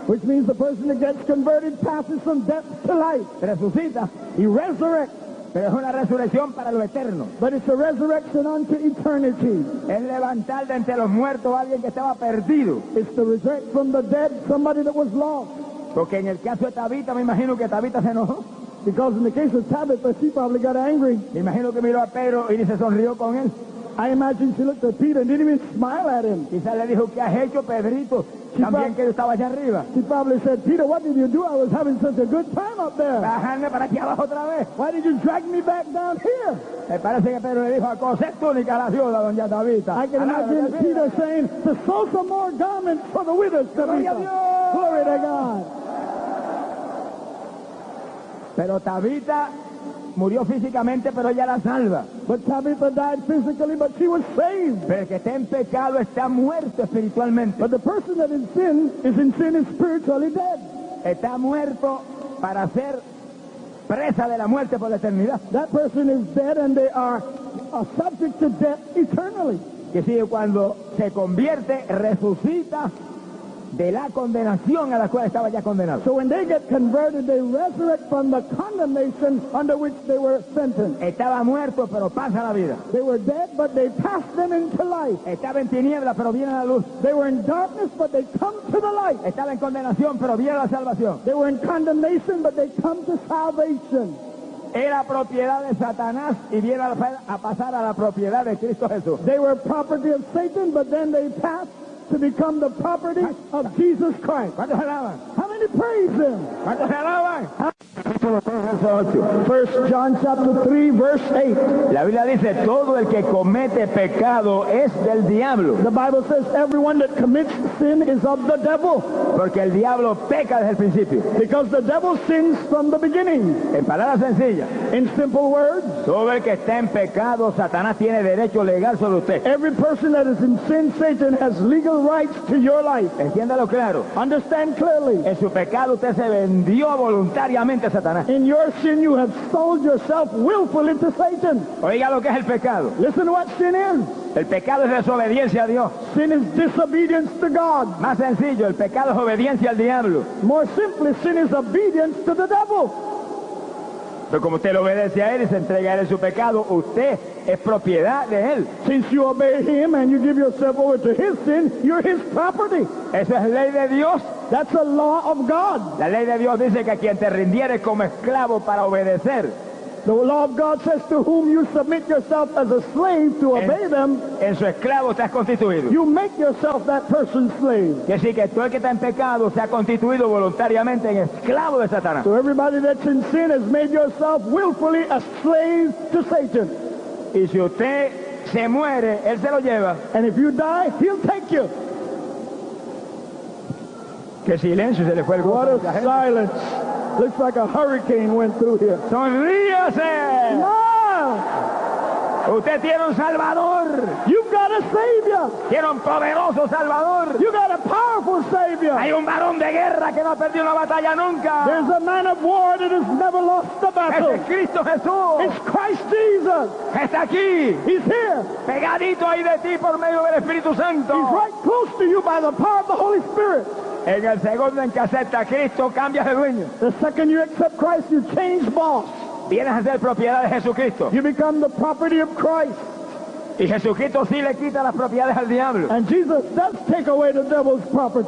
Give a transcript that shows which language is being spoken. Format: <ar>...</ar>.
<en>Which means the person that gets converted passes from death to life.</en> <es>Resucita.</es> <en>He resurrects.</en> <es>Pero es una resurrección para lo eterno.</es> <en>But it's a resurrection unto eternity.</en> <es>Es levantar de entre los muertos a alguien que estaba perdido.</es> <en>It's to resurrect from the dead somebody that was lost.</en> <es>Porque en el caso de Tabitha me imagino que Tabitha se enojó.</es> <en>Because in the case of Tabitha she probably got angry.</en> <es>Me imagino que miró a Pedro y ni se sonrió con él.</es> <en>I imagine she looked at Peter and didn't even smile at him.</en> <es>Quizá le dijo, ¿qué has hecho, Pedrito? También que yo estaba allá arriba.</es> <en>She probably said, Peter, what did you do? I was having such a good time up there.</en> <es>Bajarme para aquí abajo otra vez.</es> <en>Why did you drag me back down here?</en> <es>Me parece que Pedro le dijo, a coser túnica a la viuda, doña Tabitha.</es> <en>I can imagine Peter saying, to sew some more garments for the widows, Tabitha. Glory to God.</en> <es>Pero Tabitha murió físicamente, pero ella la salva.</es> <en>But Tabitha died physically, but she was saved.</en> <es>Pero el que está en pecado está muerto espiritualmente.</es> <en>But the person that is in sin is spiritually dead.</en> <es>Está muerto para ser presa de la muerte por la eternidad.</es> <en>That person is dead and they are subject to death eternally.</en> <es>que sigue cuando se convierte, resucita de la condenación a la cual estaba ya condenado.</es> <en>So when they get converted, they resurrect from the condemnation under which they were sentenced.</en> <es>Estaba muerto, pero pasa la vida.</es> <en>They were dead, but they pass them into life.</en> <es>Estaba en tinieblas, pero viene la luz.</es> <en>They were in darkness, but they come to the light.</en> <es>Estaba en condenación, pero viene la salvación.</es> <en>They were in condemnation, but they come to salvation.</en> <es>Era propiedad de Satanás y viene a pasar a la propiedad de Cristo Jesús.</es> <en>They were property of Satan, but then they pass to become the property of Jesus Christ.</en> <es>¿Cuántos alaban?</es> <en>How many praise him?</en> <es>¿Cuántos alaban?</es> <en>1 John chapter 3 verse 8.</en> <es>La Biblia dice, todo el que comete pecado es del diablo.</es> <en>The Bible says everyone that commits sin is of the devil.</en> <es>Porque el diablo peca desde el principio.</es> <en>Because the devil sins from the beginning.</en> <es>En palabras sencillas.</es> <en>In simple words.</en> <es>Todo el que está en pecado, Satanás tiene derecho legal sobre usted.</es> <en>Every person that is in sin, Satan has legal rights to your life.</en> <es>Entiéndalo claro.</es> <en>Understand clearly.</en> <es>En su pecado usted se vendió voluntariamente a Satanás.</es> <en>In your sin you have sold yourself willfully to Satan.</en> <es>Oiga lo que es el pecado.</es> <en>Listen to what sin is.</en> <es>El pecado es desobediencia a Dios.</es> <en>Sin is disobedience to God.</en> <es>Más sencillo, el pecado es obediencia al diablo.</es> <en>More simply, sin is obedience to the devil.</en> <es>Pero como usted le obedece a él y se entrega a él su pecado, usted es propiedad de él.</es> <en>Since you obey him and you give yourself over to his sin, you're his property.</en> <es>Esa es ley de Dios.</es> <en>That's the law of God.</en> <es>La ley de Dios dice que a quien te rindiere como esclavo para obedecer.</es> <en>The law of God says to whom you submit yourself as a slave to obey them.</en> <es>En su esclavo te has constituido.</es> <en>You make yourself that person's slave.</en> <es>Que sí, que todo el que está en pecado se ha constituido voluntariamente en esclavo de Satanás.</es> <en>So everybody that's in sin has made yourself willfully a slave to Satan.</en> <es>Y si usted se muere, él se lo lleva.</es> <en>And if you die, he'll take you.</en> <es>Qué silencio se le fue el grupo.</es> <en>What a silence. Looks like a hurricane went through here.</en> <es>Sonríase.</es> <en>No.</en> <es>Usted tiene un Salvador.</es> <en>You've got a Savior.</en> <es>Tiene un poderoso Salvador.</es> <en>You got a powerful Savior.</en> <es>Hay un varón de guerra que no ha perdido una batalla nunca.</es> <en>There's a man of war that has never lost a battle.</en> <es>Es Cristo Jesús.</es> <en>It's Christ Jesus.</en> <es>Está aquí.</es> <en>He's here.</en> <es>Pegadito ahí de ti por medio del Espíritu Santo.</es> <en>He's right close to you by the power of the Holy Spirit.</en> <es>En el segundo en que acepta a Cristo, cambias de dueño.</es> <en>The second you accept Christ, you change boss.</en> <es>Vienes a ser propiedad de Jesucristo.</es> <en>You become the property of Christ.</en> <es>Y Jesucristo sí le quita las propiedades al diablo. And Jesus does take away the devil's property.</es>